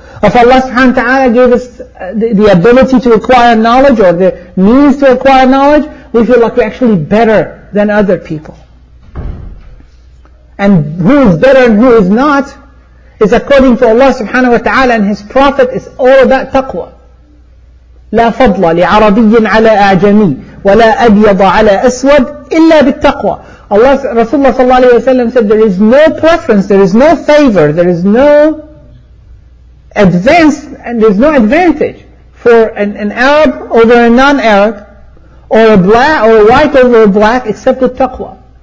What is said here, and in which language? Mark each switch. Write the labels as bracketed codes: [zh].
[en] If Allah subhanahu wa ta'ala gave us the ability to acquire knowledge or the means to acquire knowledge, we feel like we're actually better than other people. And who is better and who is not, is according to Allah subhanahu wa ta'ala and His Prophet, is all about taqwa. [ar] لا فضل لعربي على أعجمي ولا أبيض على أسود إلا بالتقوى. [en] Allah, Rasulullah sallallahu alayhi wa sallam said, there is no preference, there is no favor, there is no advance, and there is no advantage for an Arab over a non-Arab, or a white over a black, except with taqwa.